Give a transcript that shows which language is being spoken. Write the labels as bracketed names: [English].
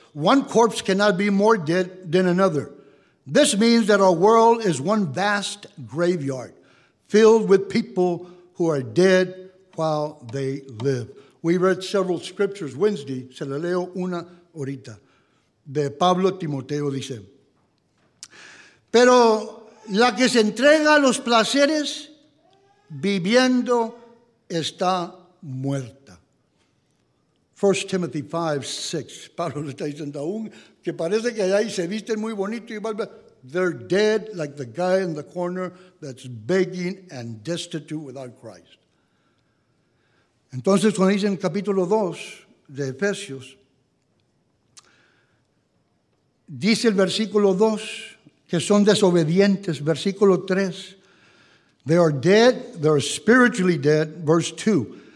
[English] One corpse cannot be more dead than another. This means that our world is one vast graveyard filled with people who are dead while they live. We read several scriptures Wednesday. [Spanish] Se la leo una ahorita. de Pablo Timoteo dice: pero la que se entrega a los placeres viviendo está muerta. [English] 1 Timothy 5, 6. [Spanish] Pablo le está diciendo aún que parece que ahí se visten muy bonito y vuelve. [English] They're dead like the guy in the corner that's begging and destitute without Christ. [Spanish] Entonces, cuando dice en el capítulo 2 de Efesios, dice el versículo 2 que son desobedientes. Versículo 3. [English] They are dead, they are spiritually dead. Verse 2.